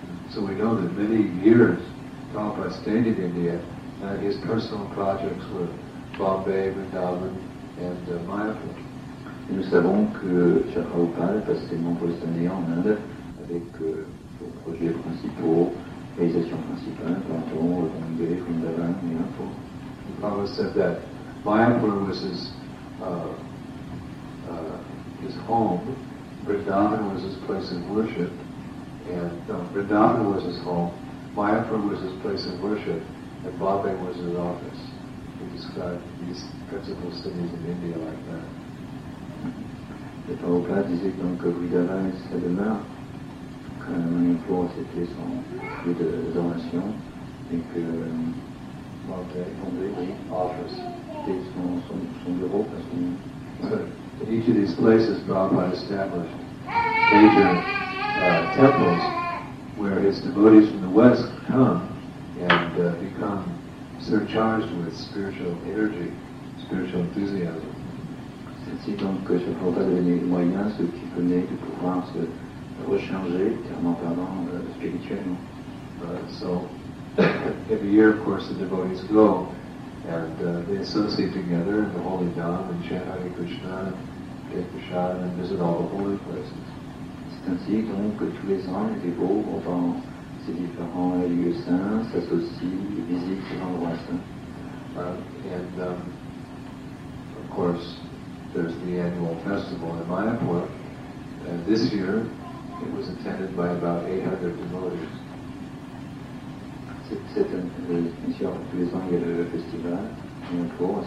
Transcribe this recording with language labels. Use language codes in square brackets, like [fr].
[en] So we know that many years Prabhupada stayed in India, and his personal projects were Bombay, Vrindavan and Mayapur. [fr] Et nous savons que Shri Prabhupada passe de nombreuses années en Inde avec vos projets principaux, réalisations principales, pardon, Bombay, Vrindavan, Mayapur. [en] The Prabhupada said that Mayapur was his home, Vrindavan was his place of worship, and Vrindavan was his home, Mayapur was his place of worship, and Bombay was his office. He described these principal cities in India like that. [fr] Le Prabhupada disait donc que Vrindavan était sa demeure, que Mayapur c'était son lieu d'adoration, et que [en] Bombay, office, [fr] c'était son bureau, parce que. [en] In each of these places, Prabhupada established major temples where his devotees from the West come and become surcharged with spiritual energy, spiritual enthusiasm. [fr] C'est donc que Shri Prabhupada donnait les moyens, ceux qui venaient, de pouvoir se recharger, clairement parlant, spirituellement. [en] So, every year, of course, the devotees go, and they associate together in the holy dhamma and chant Hare Krishna, get prasad, and visit all the holy places. [fr] C'est ainsi donc que tous les ans, les dévots vont dans ces différents lieux saints, s'associent, visitent ces endroits saints. [en] Of course, there's the annual festival in Mayapur, and this year it was attended by about 800 devotees. [fr] Tous les ans il y a le festival à Mayapur.